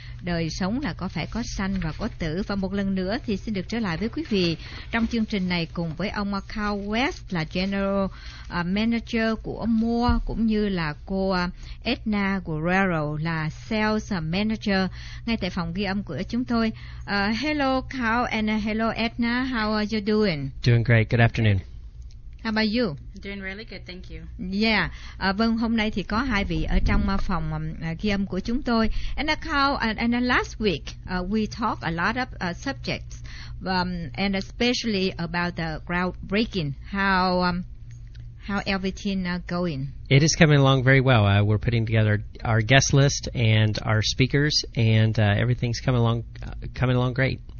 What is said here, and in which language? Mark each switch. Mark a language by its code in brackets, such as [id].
[vi] Đời sống là có phải có sanh và có tử. Và một lần nữa thì xin được trở lại với quý vị trong chương trình này cùng với ông Carl West là General Manager của Moore, cũng như là cô Edna Guerrero là Sales Manager ngay tại phòng ghi âm của chúng tôi. [en] Hello Carl and hello Edna, how are you doing? Doing great, good afternoon. How about you? Doing really good, thank you. [vi] Yeah, vâng, hôm nay thì có hai vị ở trong phòng ghi âm của chúng tôi. [en] And Carl, and last week we talked a lot of subjects, and especially about the groundbreaking, how everything going? It is coming along very well. We're putting together our guest list and our speakers, and everything's coming along great.